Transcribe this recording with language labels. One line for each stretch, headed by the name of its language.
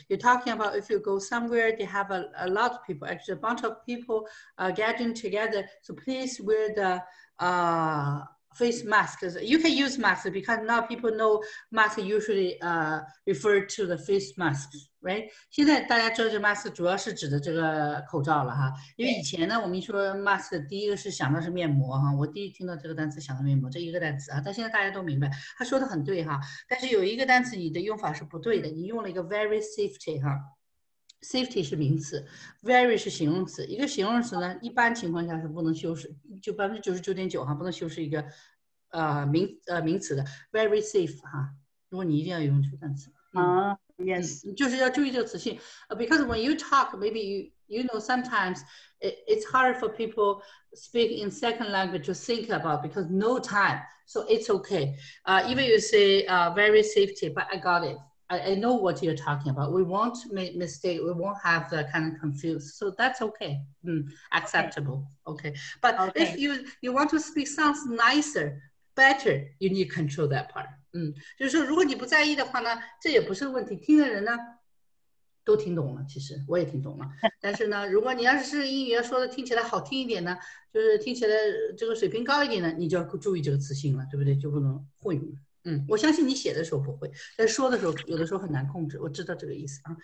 English: You're talking about if you go somewhere, they have a lot of people, actually a bunch of people gathering together. So please wear the face masks. You can use masks because now people know masks usually refer to the face masks, right?
Chinese: 现在大家知道这 mask 主要是指的这个口罩了哈。因为以前呢，我们一说 mask， 第一个是想到是面膜哈。我第一听到这个单词想到面膜这一个单词啊，但现在大家都明白，他说的很对哈。但是有一个单词你的用法是不对的，你用了一个 very safety 哈。 Safety 是名词 ，very 是形容词。一个形容词呢，一般情况下是不能修饰，就 99.9% 哈，不能修饰一个，名词的 very safe 哈。如果你一定要用这个单词，
English: yes，
Chinese: 就是要注意这个词性。
English: Because when you talk, maybe you know sometimes it's hard for people speak in second language to think about because no time, so it's okay. Even you say very safety, but I got it. I know what you're talking about. We won't make mistake. We won't have the kind of confused. So that's okay. Acceptable. Okay. But okay. If you want to speak sounds nicer, better, you need to control that part.
Chinese: 就是说如果你不在意的话呢，这也不是问题。听的人呢都听懂了，其实我也听懂了。但是呢，如果你要是英语要说的听起来好听一点呢，就是听起来这个水平高一点呢，你就要注意这个词性了，对不对？就不能混用。我相信你写的时候不会，但说的时候有的时候很难控制，我知道这个意思。